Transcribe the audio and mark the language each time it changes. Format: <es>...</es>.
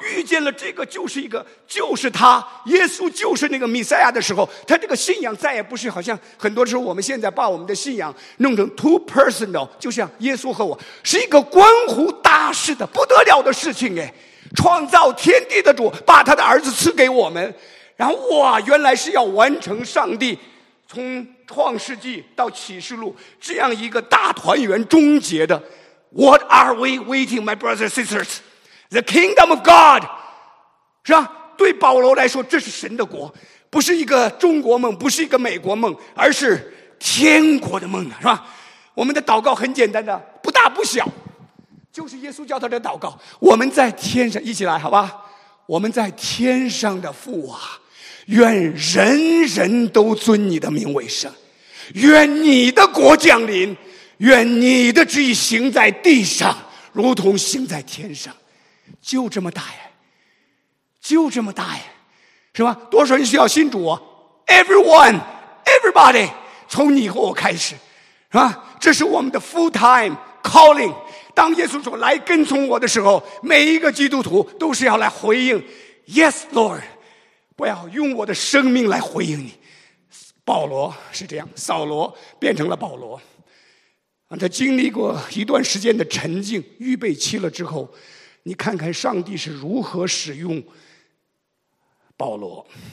<zh>遇见了这个就是一个，就是他，耶稣就是那个弥赛亚的时候，他这个信仰再也不是好像很多时候我们现在把我们的信仰弄成</zh> <en>too personal，</en> <zh>就像耶稣和我是一个关乎大事的不得了的事情，哎。创造天地的主把他的儿子赐给我们，然后哇，原来是要完成上帝从创世纪到启示录这样一个大团圆终结的。</zh> <en>What are we waiting, my brothers and sisters? The kingdom of God，</en> <zh>是吧？对保罗来说，这是神的国，不是一个中国梦，不是一个美国梦，而是天国的梦，是吧？我们的祷告很简单的，不大不小，就是耶稣教他的祷告。我们在天上，一起来好吧，我们在天上的父啊，愿人人都尊你的名为圣，愿你的国降临，愿你的旨意行在地上如同行在天上。就这么大呀，就这么大呀，是吧？多少人需要信主啊？</zh> <en>Everyone Everybody，</en> <zh>从你和我开始，是吧？这是我们的</zh> <en>full time calling。</en> <zh>当耶稣说来跟从我的时候，每一个基督徒都是要来回应</zh> <en>Yes Lord，</en> <zh>不要用我的生命来回应你。保罗是这样，扫罗变成了保罗，他经历过一段时间的沉静预备期了之后，你看看上帝是如何使用保罗。</zh>